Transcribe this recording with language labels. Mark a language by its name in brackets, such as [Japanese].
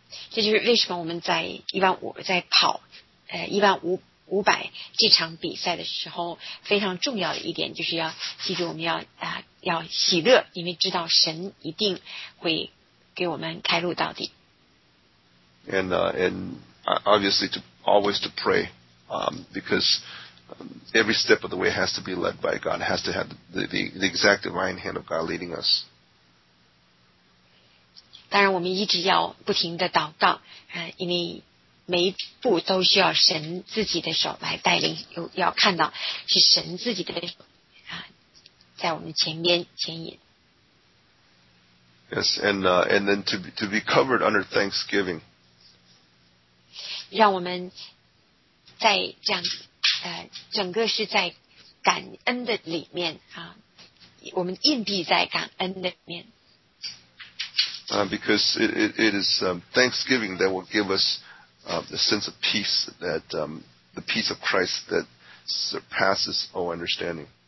[Chinese] 这就是为什么我们在 15, 在跑,500这场比赛的时候非常重要的一点，就是要记住我们要要喜乐，因为知道神一定会给我们开路到底。 [English] And obviously to always to pray, because every step of the way has to be led by God, has to have the exact divine hand of God leading us. [Chinese] 当然我们一直要不停地祷告，因为每一步都需要神自己的手来带领，要看到是神自己的手在我们前面牵引。 [English] Yes, and then to be covered under thanksgiving. [Chinese] 让我们在这样整个是在感恩的里面我们硬币在感恩的里面。 [English] Because it is thanksgiving that will give us the sense of peace, that the peace of Christ that surpasses all understanding.